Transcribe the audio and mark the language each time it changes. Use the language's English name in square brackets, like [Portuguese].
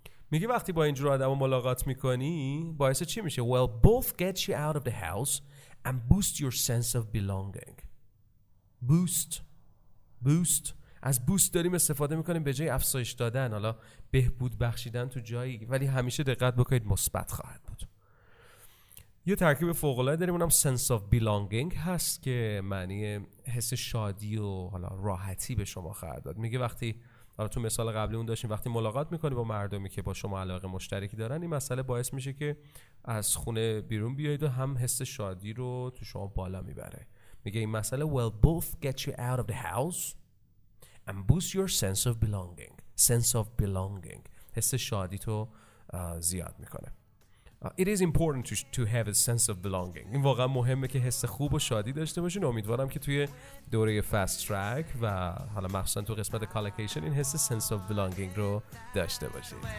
[Persian] میگه وقتی با اینجور آدم ملاقات میکنی باعث چی میشه؟ [English] Well, both get you out of the house and boost your sense of belonging. Boost. [Persian] از boost داریم استفاده میکنیم به جای افزایش دادن, حالا بهبود بخشیدن تو جایی, ولی همیشه دقت بکنید مثبت خواهد بود. یه ترکیب فوق‌العاده داریم, اونم [English] sense of belonging [Persian] هست که معنی حس شادی و حالا راحتی به شما خواهد داد. میگه وقتی حالا تو مثال قبلی اون داشتیم, وقتی ملاقات میکنی با مردمی که با شما علاقه مشترکی دارن, این مسئله باعث میشه که از خونه بیرون بیایید و هم حس شادی رو تو شما بالا میبره. میگه این مسئله [English] will both get you out of the house and boost your sense of belonging [Persian] حس شادی تو زیاد میکنه. [English] It is important to have a sense of belonging. [Persian] این واقعا مهمه که حس خوب و شادی داشته باشین. امیدوارم که توی دوره فست ترک و حالا مخصوصا تو قسمت کالکیشن این حس [English] sense of belonging [Persian] رو داشته باشین.